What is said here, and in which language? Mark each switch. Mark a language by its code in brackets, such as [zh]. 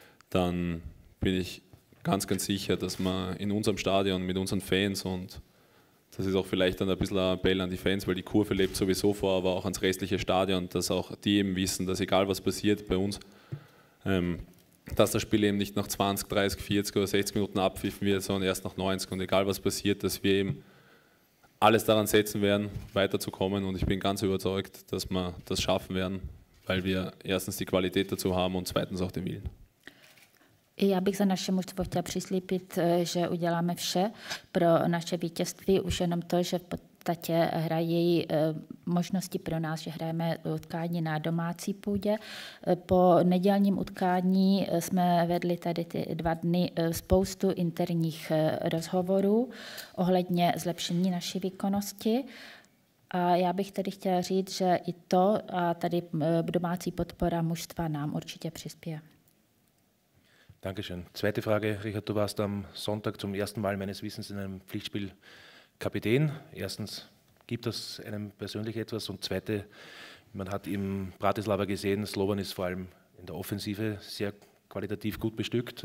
[de] dann bin ich ganz, ganz sicher, dass wir in unserem Stadion mit unseren Fans, und das ist auch vielleicht dann ein bisschen ein Appell an die Fans, weil die Kurve lebt sowieso vor, aber auch ans restliche Stadion, dass auch die eben wissen, dass egal was passiert bei uns, dass das Spiel eben nicht nach 20, 30, 40 oder 60 Minuten abpfiffen wird, sondern erst nach 90. Und egal was passiert, dass wir eben alles daran setzen werden, weiterzukommen. Und ich bin ganz überzeugt, dass wir das schaffen werden, weil wir erstens die Qualität dazu haben und zweitens auch den Willen. [cs] Já bych za naše mužstvo chtěla přislíbit, že uděláme vše pro naše vítězství, už jenom to, že v podstatě hrají možnosti pro nás, že hrajeme utkání na domácí půdě. Po nedělním utkání jsme vedli tady ty dva dny spoustu interních rozhovorů ohledně zlepšení naší výkonnosti. A já bych tedy chtěla říct, že i to a tady domácí podpora mužstva nám určitě přispěje. [de] Dankeschön. Zweite Frage, Richard, du warst am Sonntag zum ersten Mal meines Wissens in einem Pflichtspiel Kapitän. Erstens, gibt das einem persönlich etwas? Und zweite, man hat im Bratislava gesehen, Slovan ist vor allem in der Offensive sehr qualitativ gut bestückt.